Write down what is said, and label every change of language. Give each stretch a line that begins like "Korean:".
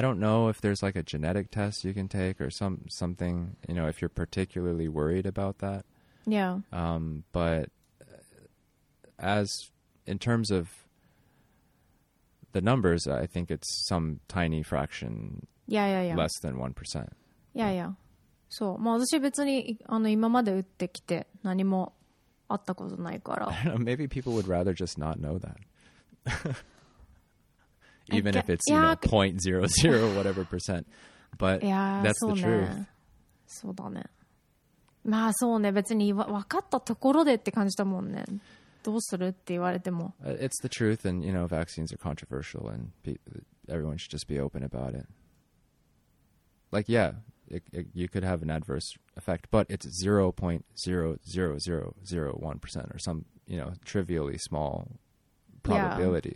English: don't know if there's like a genetic test you can take or something, you know, if you're particularly worried about that. Yeah. But as in terms of the numbers, I think it's some tiny fraction. Yeah. Less than 1%. Yeah.
Japanese: So, まあ私別にあの今まで打ってきて何もあったことないから。
English: Maybe people would rather just not know that. Even if it's, you know, 0.00 whatever percent. But that's the truth.
Japanese: そうだね。まあそうね、別に分かったところでって感じたもんね。どうするって言われても。
English: It's the truth, and you know, vaccines are controversial, and everyone should just be open about it. Like, yeah, you could have an adverse effect, but it's 0.00001% or some, you know, trivially small probability.